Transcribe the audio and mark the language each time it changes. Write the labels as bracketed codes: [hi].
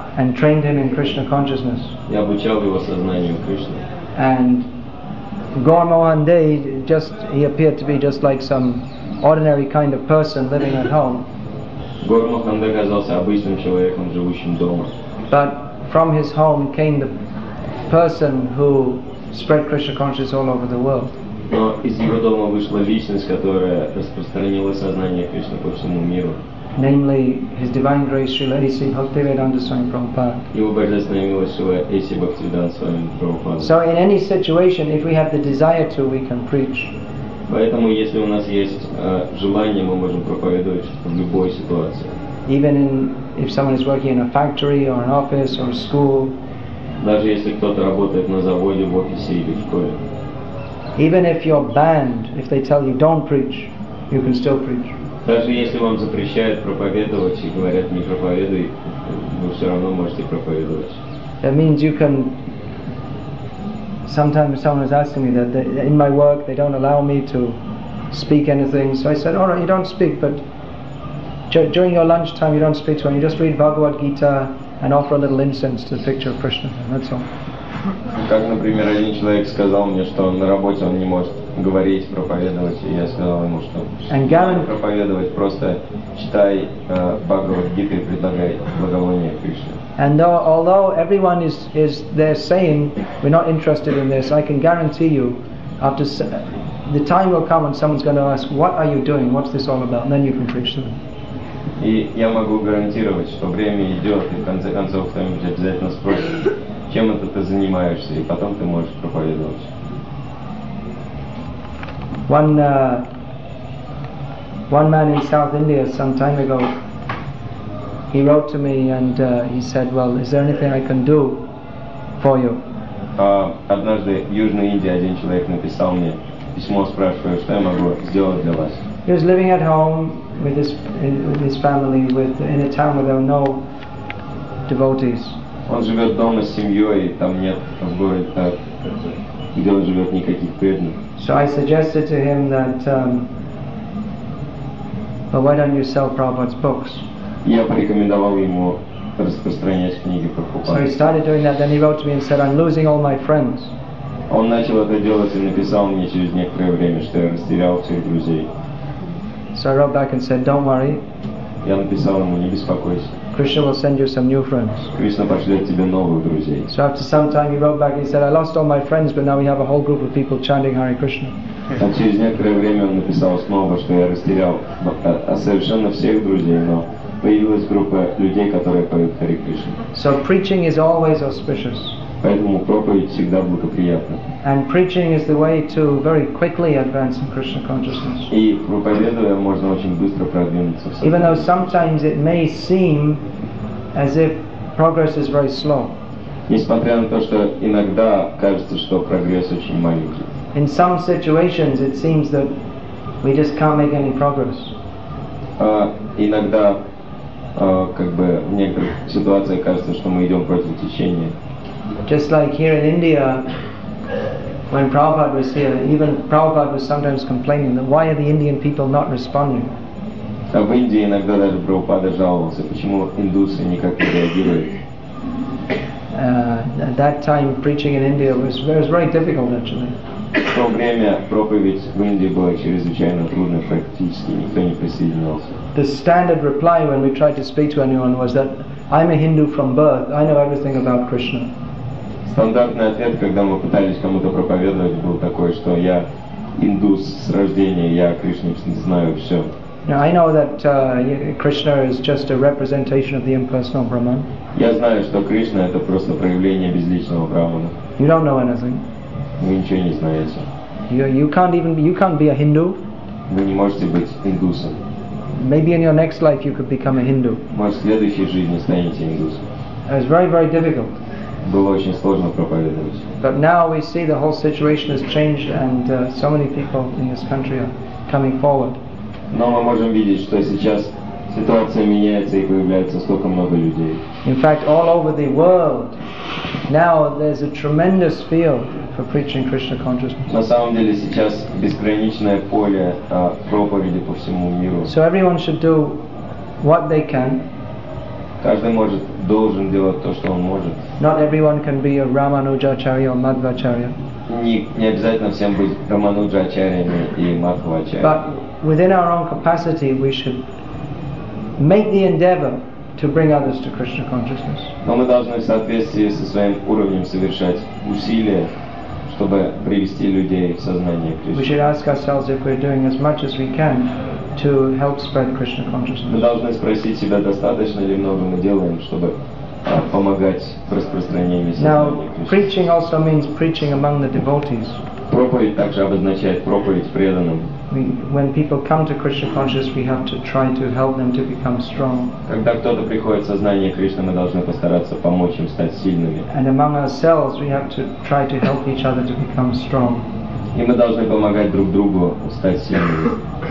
[en] And trained him in Krishna consciousness. [ru] Я обучал его сознанию Кришны. [en] And gone one day, just he appeared to be just like some ordinary kind of person living at home. [ru] Гормаханда казался обычным человеком, живущим дома. [en] But from his home came the person who spread Krishna consciousness all over the world. [ru] Но из его дома вышла личность, которая распространила сознание Кришны по всему миру. [en] Namely, His Divine Grace Srila A.C. Bhaktivedanta Swami Prabhupada. So in any situation, if we have the desire to, we can preach. [ru] Поэтому, если у нас есть желание, мы можем проповедовать в любой ситуации. [en] Even in, if someone is working in a factory or an office or a school. [ru] Даже если кто-то работает на заводе, в офисе или в школе. [en] Even if you're banned, if they tell you don't preach, you can still preach. [ru] Даже если вам запрещают проповедовать и говорят не проповедуй, вы все равно можете проповедовать. [en] That means you can. Sometimes someone is asking me that in my work they don't allow me to speak anything. So I said, all right, you don't speak, but during your lunch time you don't speak to anyone. You just read Bhagavad Gita and offer a little incense to the picture of Krishna. That's all. [ru] Как, например, один человек сказал мне, что на работе он не может говорить, проповедовать, и я сказал ему, что [en] Gavin, [ru] проповедовать, просто читай Бхагавад Гиту и предлагай благовоние Кришне. [en] And though, although everyone is there saying we're not interested in this, I can guarantee you, after the time will come when someone's going to ask, what are you doing? What's this all about? And then you can preach to them. [ru] И я могу гарантировать, что время идет, и в конце концов кто-нибудь обязательно спросит, чем это ты занимаешься, и потом ты можешь проповедовать. [en] One man in South India some time ago, he wrote to me and he said, well, is there anything I can do for you? [ru] Однажды в Южной Индии один человек написал мне письмо, спрашивая, что я могу сделать для вас. [en] He was living at home with his family in a town where there were no devotees. [ru] Он живет дома с семьей, и там нет в городе, так, где он живет, никаких преданных. [en] So I suggested to him that, well, why don't you sell Prabhupada's books? [ru] Я порекомендовал ему распространять книги Прабхупады. [en] So he started doing that, then he wrote to me and said, I'm losing all my friends. [ru] Он начал это делать и написал мне через некоторое время, что я растерял всех друзей. [en] So I wrote back and said, don't worry. [ru] Я написал ему, не беспокойся. [en] Krishna will send you some new friends. [ru] Krishna пошлет тебе новых друзей. [en] So after some time he wrote back and said, I lost all my friends, but now we have a whole group of people chanting Hare Krishna. [ru] А через некоторое время он написал снова, что я растерял совершенно всех друзей, но появилась группа людей, которые поют Hare Krishna. [en] So preaching is always auspicious. [ru] Поэтому проповедь всегда благоприятна. [en] And preaching is the way to very quickly advance in Krishna consciousness. [ru] И проповедуя можно очень быстро продвинуться. [en] Even though sometimes it may seem as if progress is very slow. [ru] Несмотря на то, что иногда кажется, что прогресс очень маленький. [en] In some situations it seems that we just can't make any progress. [ru] Иногда как бы в некоторых ситуациях кажется, что мы идем против течения. [en] Just like here in India, when Prabhupada was here, even Prabhupada was sometimes complaining that why are the Indian people not responding? [ru] В Индии иногда даже Прабхупада жаловался, почему индусы никак не реагируют. [en] At that time, preaching in India was very difficult, actually. [ru] В то время проповедь в Индии была чрезвычайно трудной, практически никто не присоединялся. [en] The standard reply when we tried to speak to anyone was that I'm a Hindu from birth. I know everything about Krishna. [ru] Стандартный ответ, когда мы пытались кому-то проповедовать, был такой, что я индус с рождения, я о Кришне знаю все. [en] Now, I know that Krishna is just a representation of the impersonal Brahman. [ru] Я знаю, что Кришна это просто проявление безличного Брахмана. [en] You don't know anything. [ru] Вы ничего не знаете. [en] You can't be a Hindu. [ru] Вы не можете быть индусом. [en] Maybe in your next life you could become a Hindu. [ru] Может, в следующей жизни станете индусом. [en] It was very, very difficult. [ru] Было очень сложно проповедовать. [en] But now we see the whole situation has changed and so many people in this country are coming forward. [ru] Но мы можем видеть, что сейчас ситуация меняется и появляется столько много людей. [en] In fact, all over the world, now there's a tremendous field for preaching Krishna consciousness. [ru] На самом деле сейчас безграничное поле проповеди по всему миру. [en] So everyone should do what they can. [ru] Каждый может, должен делать то, что он может. [en] Not everyone can be a Рамануджачарья or Мадхвачарья. [ru] Не обязательно всем быть Рамануджачарьями и Мадхвачарьями. [en] But within our own capacity, we should make the endeavor to bring others to Krishna consciousness. [ru] Но мы должны в соответствии со своим уровнем совершать усилия, чтобы привести людей в сознание Кришны. [en] We should ask ourselves if we're doing as much as we can to help spread Krishna consciousness. [ru] Мы должны спросить себя, достаточно ли много мы делаем, чтобы помогать в распространении сознания Кришны. [en] Now, preaching also means preaching among the devotees. [ru] Проповедь также обозначает проповедь преданным. [en] When people come to Krishna consciousness, we have to try to help them to become strong. [ru] Когда кто-то приходит в сознание Кришны, мы должны постараться помочь им стать сильными. [en] And among ourselves, we have to try to help each other to become strong. [ru] И мы должны помогать друг другу стать сильными.